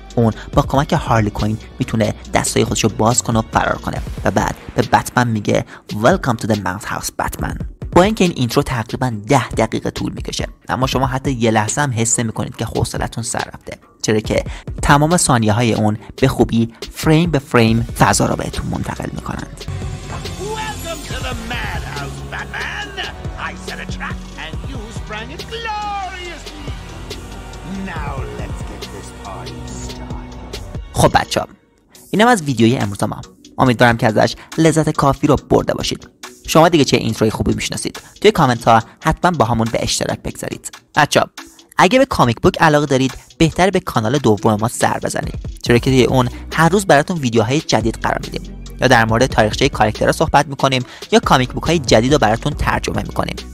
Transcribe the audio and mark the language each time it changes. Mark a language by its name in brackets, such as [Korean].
[Persian] اون با کمک هارلی کوین میتونه دستای خودش رو باز کنه و فرار کنه و بعد به بتمن میگه [English] Welcome to the Mouse House Batman. [Persian] با اینکه این اینترو تقریبا 10 دقیقه طول میکشه، اما شما حتی یه لحظه هم حس میکنید که حوصله‌تون سر رفته، چرا که تمام ثانیه های اون به خوبی فریم به فریم فضا رو بهتون منتقل میکنند. [English] Welcome to the Madhouse Batman. I set a trap and you sprang it gloriously. Now let's get this party started. [Persian] خب بچه‌ها، اینم از ویدیوی امروز ما. امیدوارم که ازش لذت کافی رو برده باشید. شما دیگه چه اینتروی خوبی میشناسید؟ توی کامنت ها حتما با همون به اشتراک بگذارید. بچه ها، اگه به کامیک بوک علاقه دارید، بهتر به کانال دوم ما سر بزنید، چرا که توی اون هر روز براتون ویدیوهای جدید قرار میدیم، یا در مورد تاریخچه کاراکترها صحبت میکنیم، یا کامیک بوک های جدید رو براتون ترجمه میکنیم.